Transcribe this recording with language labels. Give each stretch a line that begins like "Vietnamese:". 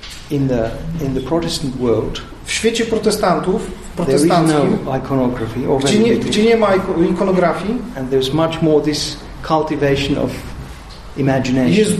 English: In the Protestant world.
Polish: W świecie protestantów, w protestanckim, gdzie nie ma ikonografii.
English: And there's much more this cultivation of imagination.